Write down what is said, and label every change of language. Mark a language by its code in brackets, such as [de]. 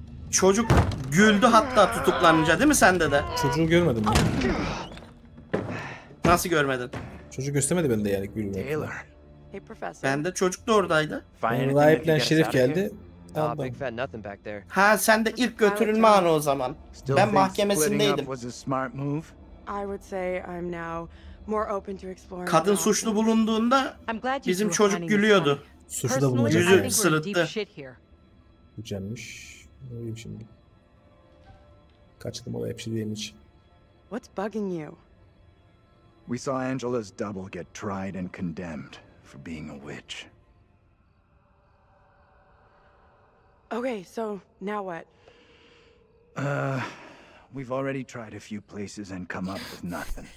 [tr] Çocuk güldü hatta tutuklanınca, değil mi sende de? Çocuğu görmedim ben. Nasıl görmedin? Çocuk göstermedi bende yani gülmedi. [en] Taylor. Hey professor. [tr] Bende çocuk da oradaydı. Rahiplen Şerif geldi. Aldım. Ha sen de ilk götürülme anı o zaman. Ben mahkemesindeydim. [en] I would say I'm now more open to exploring. [tr] Kadın suçlu bulunduğunda bizim çocuk gülüyordu. Suçlu da bulunacak. Yüzü sırıttı. Gücenmiş. Ne diyeyim şimdi? Kaçtım o hepsi diyeyim hiç. [en] What's bugging you? We saw Angela's double get tried and condemned for being a witch. Okay, so now what? We've already tried a few places and come up with nothing.